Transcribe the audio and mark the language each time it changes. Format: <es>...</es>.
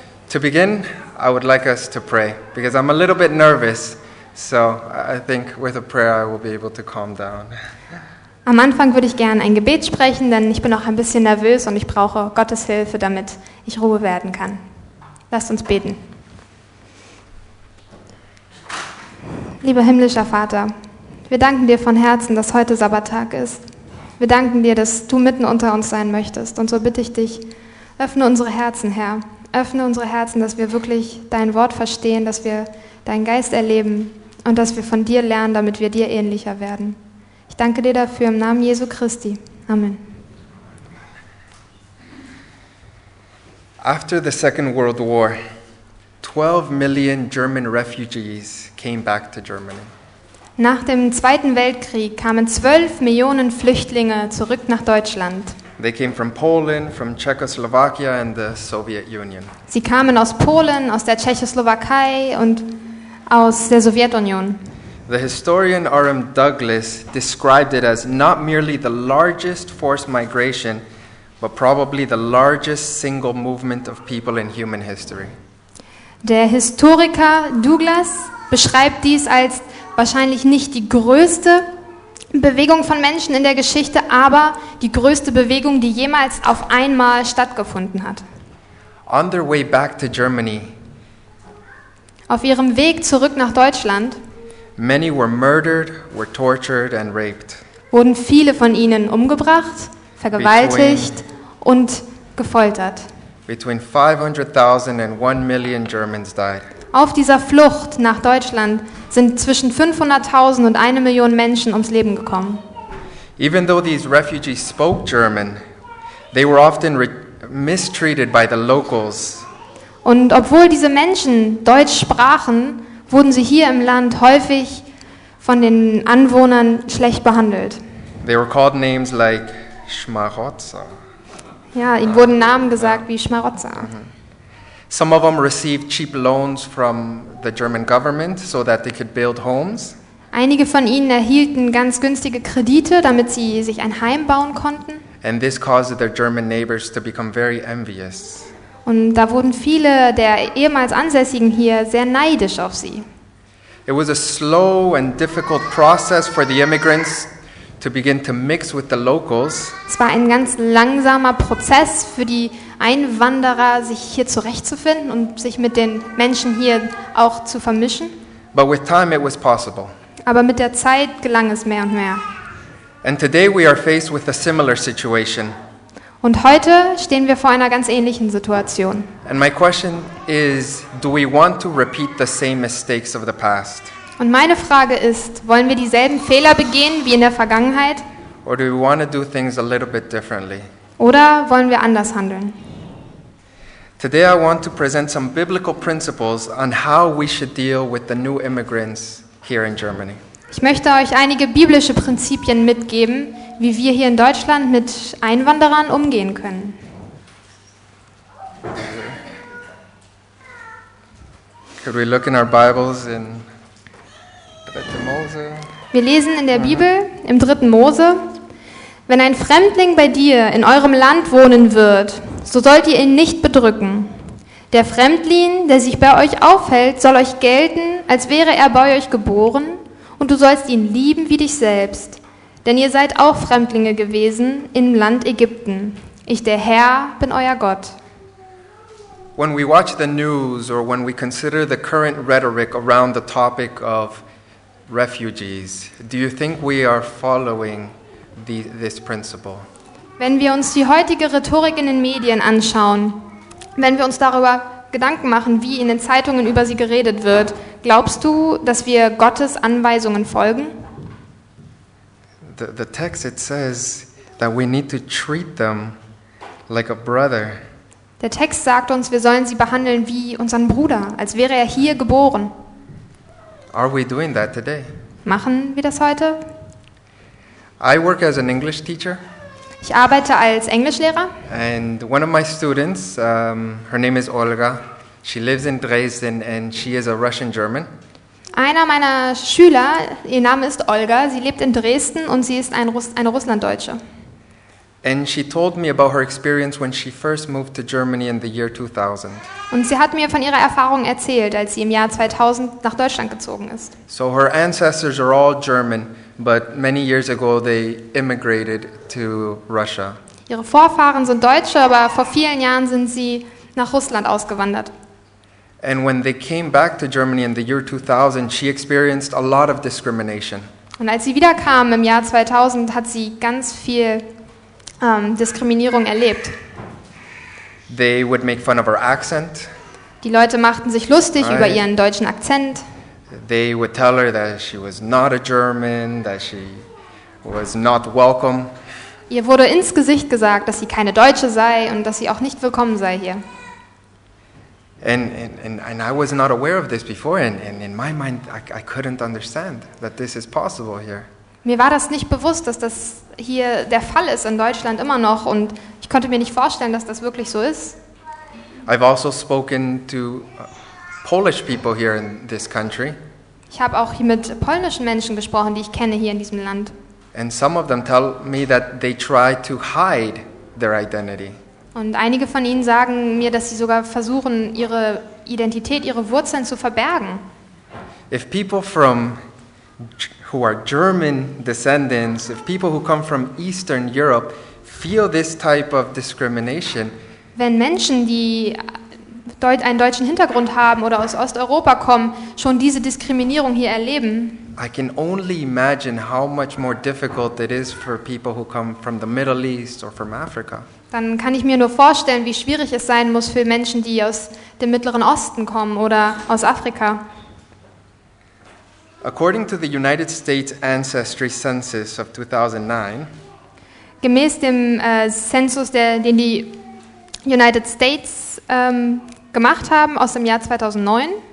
<en>To begin, I would like us to pray, because I'm a little bit nervous. So I think with a prayer I will be able to calm down.</en> <de>Am Anfang würde ich gerne ein Gebet sprechen, denn ich bin auch ein bisschen nervös und ich brauche Gottes Hilfe, damit ich Ruhe werden kann. Lasst uns beten. Lieber himmlischer Vater, wir danken dir von Herzen, dass heute Sabbattag ist. Wir danken dir, dass du mitten unter uns sein möchtest. Und so bitte ich dich, öffne unsere Herzen, Herr. Öffne unsere Herzen, dass wir wirklich dein Wort verstehen, dass wir deinen Geist erleben und dass wir von dir lernen, damit wir dir ähnlicher werden. Ich danke dir dafür im Namen Jesu Christi. Amen.</de> <en>After the Second World War, 12 million German refugees came back to Germany.</en> <de>Nach dem Zweiten Weltkrieg kamen 12 Millionen Flüchtlinge zurück nach Deutschland.</de> <en>They came from Poland, from Czechoslovakia and the Soviet Union.</en> <de>Sie kamen aus Polen, aus der Tschechoslowakei und aus der Sowjetunion.</de> <en>The historian R.M. Douglas described it as not merely the largest forced migration, but probably the largest single movement of people in human history.</en> <de>Der Historiker Douglas beschreibt dies als wahrscheinlich nicht die größte Bewegung von Menschen in der Geschichte, aber die größte Bewegung, die jemals auf einmal stattgefunden hat.</de> <en>On their way back to Germany,</en> <de>auf ihrem Weg zurück nach Deutschland,</de> <en>many were murdered, were tortured and raped.</en> <de>Wurden viele von ihnen umgebracht, vergewaltigt und gefoltert.</de> <en>Between 500,000 and 1 million Germans died.</en> <de>Auf dieser Flucht nach Deutschland sind zwischen 500,000 und 1 Million Menschen ums Leben gekommen.</de> <en>Even though these refugees spoke German, they were often mistreated by the locals.</en> <de>Und obwohl diese Menschen Deutsch sprachen, wurden sie hier im Land häufig von den Anwohnern schlecht behandelt.</de> <en>They were called names like Schmarotzer.</en> <de>Ja, ihnen wurden Namen gesagt wie Schmarotzer.</de> <en>Some of them received cheap loans from the German government so that they could build homes.</en> <de>Einige von ihnen erhielten ganz günstige Kredite, damit sie sich ein Heim bauen konnten.</de> <en>And this caused their German neighbors to become very envious.</en> <de>Und da wurden viele der ehemals Ansässigen hier sehr neidisch auf sie.</de> <en>It was a slow and difficult process for the immigrants to begin to mix with the locals.</en> <de>Es war ein ganz langsamer Prozess für die Einwanderer, sich hier zurechtzufinden und sich mit den Menschen hier auch zu vermischen.</de> <en>But with time it was possible.</en> <de>Aber mit der Zeit gelang es mehr und mehr.</de> <en>And today we are faced with a similar situation.</en> <de>Und heute stehen wir vor einer ganz ähnlichen Situation.</de> <en>And my question is, do we want to repeat the same mistakes of the past?</en> <de>Und meine Frage ist, wollen wir dieselben Fehler begehen wie in der Vergangenheit?</de> <en>Or do we want to do things a little bit differently?</en> <de>Oder wollen wir anders handeln?</de> <en>Today I want to present some biblical principles on how we should deal with the new immigrants here in Germany.</en> <de>Ich möchte euch einige biblische Prinzipien mitgeben, wie wir hier in Deutschland mit Einwanderern umgehen können.</de> <en>Could we look in our Bibles in 3. Mose?</en> <de>Wir lesen in der Bibel im 3. Mose, wenn ein Fremdling bei dir in eurem Land wohnen wird, so sollt ihr ihn nicht bedrücken. Der Fremdling, der sich bei euch aufhält, soll euch gelten, als wäre er bei euch geboren und du sollst ihn lieben wie dich selbst. Denn ihr seid auch Fremdlinge gewesen im Land Ägypten. Ich, der Herr, bin euer Gott.</de> <en>When we watch the news or when we consider the current rhetoric around the topic of refugees, do you think we are following this principle?</en> <de>Wenn wir uns die heutige Rhetorik in den Medien anschauen, wenn wir uns darüber Gedanken machen, wie in den Zeitungen über sie geredet wird, glaubst du, dass wir Gottes Anweisungen folgen?</de> <en>The text, it says that we need to treat them like a brother.</en> <de>Der Text sagt uns, wir sollen sie behandeln wie unseren Bruder, als wäre er hier geboren.</de> <en>Are we doing that today?</en> <de>Machen wir das heute?</de> <en>I work as an English teacher.</en> <de>Ich arbeite als Englischlehrer.</de> <en>And one of my students, her name is Olga. She lives in Dresden and she is a Russian German.</en> <de>Einer meiner Schüler, ihr Name ist Olga, sie lebt in Dresden und sie ist eine Russlanddeutsche.</de> <en>And she told me about her experience when she first moved to Germany in the year 2000.</en> <de>Und sie hat mir von ihrer Erfahrung erzählt, als sie im Jahr 2000 nach Deutschland gezogen ist.</de> <en>So her ancestors are all German, but many years ago they immigrated to Russia.</en> <de>Ihre Vorfahren sind Deutsche, aber vor vielen Jahren sind sie nach Russland ausgewandert.</de> <en>And when they came back to Germany in the year 2000, she experienced a lot of discrimination.</en> <de>Und als sie wiederkam im Jahr 2000, hat sie ganz viel Diskriminierung erlebt.</de> <en>They would make fun of her accent.</en> <de>Die Leute machten sich lustig über ihren deutschen Akzent.</de> <en>They would tell her that she was not a German, that she was not welcome.</en> <de>Ihr wurde ins Gesicht gesagt, dass sie keine Deutsche sei und dass sie auch nicht willkommen sei hier.</de> <en>And I was not aware of this before, and in my mind I couldn't understand that this is possible here.</en> <de>Mir war das nicht bewusst, dass das hier der Fall ist in Deutschland immer noch, und ich konnte mir nicht vorstellen, dass das wirklich so ist.</de> <en>I've also spoken to Polish people here in this country.</en> <de>Ich habe auch hier mit polnischen Menschen gesprochen, die ich kenne hier in diesem Land.</de> <en>And some of them tell me that they try to hide their identity.</en> <de>Und einige von ihnen sagen mir, dass sie sogar versuchen, ihre Identität, ihre Wurzeln zu verbergen.</de> <en>If people from who are German descendants, if people who come from Eastern Europe feel this type of discrimination,</en> <de>wenn Menschen, die einen deutschen Hintergrund haben oder aus Osteuropa kommen, schon diese Diskriminierung hier erleben,</de> <en>I can only imagine how much more difficult it is for people who come from the Middle East or from Africa.</en> <de>Dann kann ich mir nur vorstellen, wie schwierig es sein muss für Menschen, die aus dem Mittleren Osten kommen oder aus Afrika.</de> <en>According to the United States Ancestry Census of 2009,</en> <de>gemäß dem Census, den die United States gemacht haben aus dem Jahr 2009,</de>